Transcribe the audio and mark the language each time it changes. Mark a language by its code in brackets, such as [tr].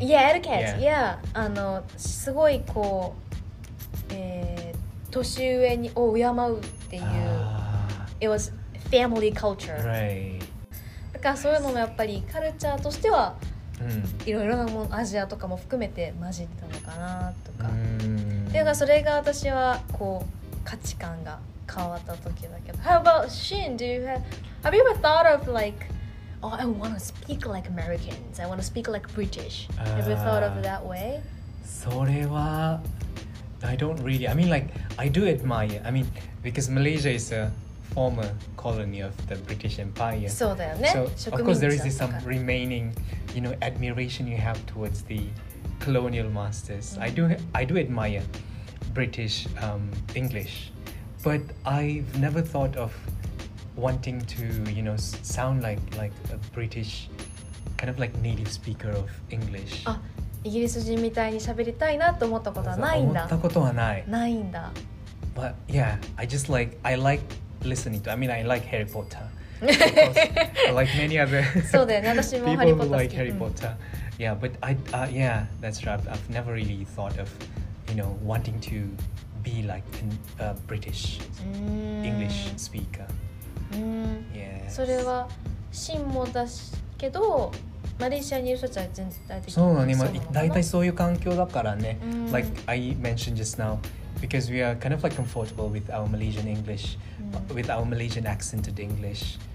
[en] yeah etiquette yeah. yeah [ja] あのすごいこう、年上にを敬うっていう、 [en] it was family culture、 right. [ja] だからそういうのもやっぱりカルチャーとしてはいろいろなもん、アジアとかも含めて混じってたのかなとか、だからそれが私はこう価値観が変わった時だけど、 [en] How about Shin? Do you have you ever thought of like, oh, I want to speak like Americans. I want to speak like British. Have you thought of that way? [ja] それは [en] I don't really. I mean, like, I do admire. I mean, because Malaysia is a former colony of the British Empire. [ja] そうだよね。 [en] So of course there is some remaining, you know, admiration you have towards the colonial masters.、Mm-hmm. I do admire. British English, but I've never thought of wanting to, you know, sound like a British kind of like native speaker of English. [ja] あ、イギリス人みたいに喋りたいなと思ったことはないんだ。思ったことはない。ないんだ。 [en] But yeah, I just like, I like listening to, I mean, I like Harry Potter. I like many other [ja] そうだよね、私もハリーポッター好き。 [en] People who like Harry Potter. Yeah, but I, yeah, that's right. I've never really thought of. You know, wanting to be like a British English speaker. Yes. [ja] それは真もだけど、マレーシアにいる人たちは全然大体そうなの。そうなの。だいたいそういう環境だからね。 [en] Like I mentioned just now, because we are kind of like comfortable with our Malaysian English, with our Malaysian accented English.